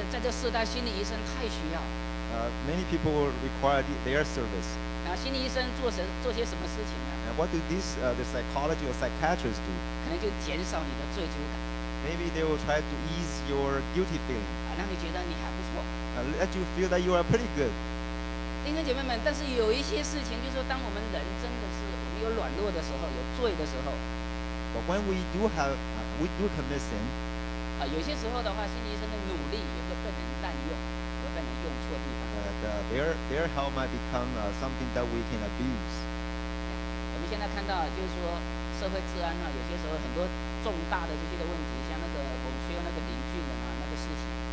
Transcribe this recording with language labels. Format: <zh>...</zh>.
<zh>在这世代，心理医生太需要。</zh> <en>Many people require their service.</en> <zh>那心理医生做些什么事情呢</zh> <en>？What do the psychology or psychiatrist do?</en> <zh>可能就减少你的罪疚感。</zh> <en>Maybe they will try to ease your guilty feeling.</en> <zh>让你觉得你还不错。</zh> <en>Let you feel that you are pretty good.</en> <zh>弟兄姐妹们，但是有一些事情，就是说当我们人真的是。有软弱的时候，有罪的时候。</zh> <en>But when we do commit sin,</en> <zh>有些时候的话，心理医生的努力也会被人滥用，会被人用错地方。</zh> <en>Their help might become something that we can abuse.</en> <zh>我们现在看到，就是说社会治安有些时候很多重大的这些的问题，像那个我们需要那个邻居的那个事情。</zh>